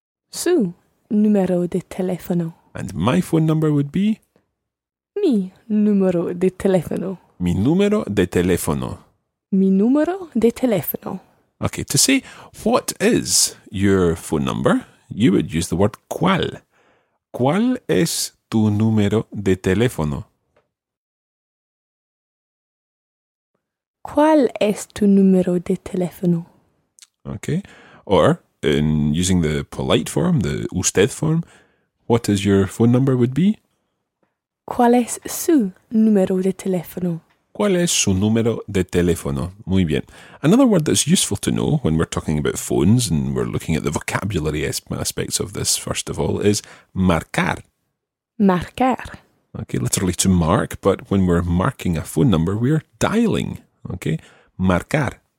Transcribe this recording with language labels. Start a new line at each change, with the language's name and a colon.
Spanish: Su número de teléfono.
English: And my phone number would be?
Spanish: Mi número de teléfono. Mi número de teléfono. Mi número de teléfono.
English: Okay, to say what is your phone number, you would use the word cuál.
Spanish: ¿Cuál es tu número de teléfono? ¿Cuál es tu número de teléfono?
English: Okay, or in using the polite form, the usted form, what is your phone number would be?
Spanish: ¿Cuál es su número de teléfono? ¿Cuál es su número de teléfono? Muy bien.
English: Another word that's useful to know when we're talking about phones and we're looking at the vocabulary aspects of this, first of all, is marcar.
Spanish: Marcar.
English: Okay, literally to mark, but when we're marking a phone number, we're dialing. Okay, marcar.